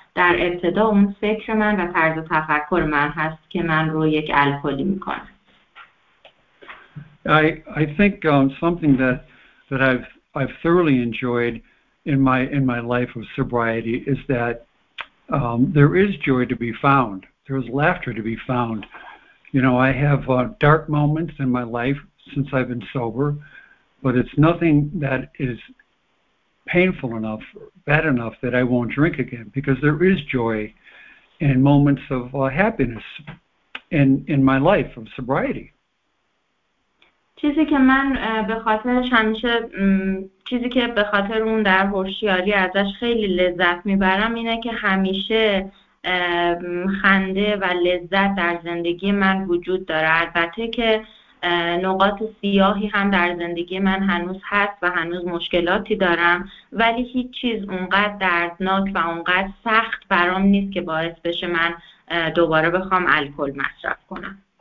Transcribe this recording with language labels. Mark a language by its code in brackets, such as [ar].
[fa] در ابتدا اون فکر من و طرز تفکر من هست که من رو یک الکلی میکنه. [en] I think something that I've thoroughly enjoyed in my life of sobriety is that there is joy to be found. There's laughter to be found. You know, I have dark moments in my life since I've been sober, but it's nothing that is painful enough, bad enough, that I won't drink again, because there is joy and moments of happiness in my life of sobriety. [fa] چیزی که من به خاطرش همیشه چیزی که به خاطر اون در هوشیاری ازش خیلی لذت میبرم اینه که همیشه خنده و لذت در زندگی من وجود داره. البته که نقاط سیاهی هم در زندگی من هنوز هست و هنوز مشکلاتی دارم، ولی هیچ چیز اونقدر دردناک و اونقدر سخت برام نیست که باعث بشه من دوباره بخوام الکل مصرف کنم.